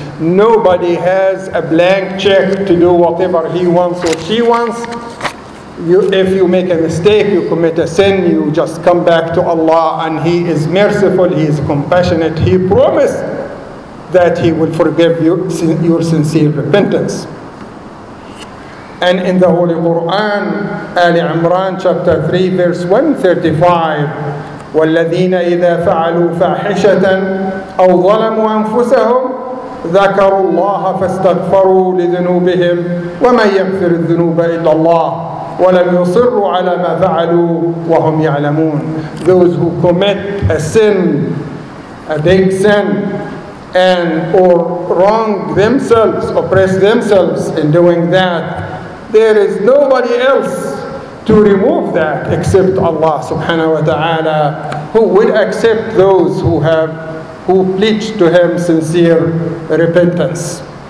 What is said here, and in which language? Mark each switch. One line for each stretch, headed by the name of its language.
English: Nobody has a blank check to do whatever he wants or she wants. If you make a mistake, you commit a sin, you just come back to Allah, and He is merciful, He is compassionate. He promised that He will forgive you your sincere repentance. And in the Holy Quran, Ali Imran chapter 3, verse 135,
Arabic: وَالَّذِينَ إِذَا فَعَلُوا فَاحِشَةً أَوْ ظَلَمُوا أَنفُسَهُمْ ذَكَرُوا اللَّهَ فَاسْتَغْفَرُوا لِذُنُوبِهِمْ وَمَنْ يَغْفِرُ الذُّنُوبَ إِلَّا اللَّهُ وَلَمْ يُصِرُّوا عَلَى مَا فَعَلُوا وَهُمْ يَعْلَمُونَ.
English: Those who commit a sin, a big sin, and or wrong themselves, oppress themselves in doing that, there is nobody else to remove that except Allah subhanahu wa ta'ala, who will accept those who pledge to Him sincere repentance.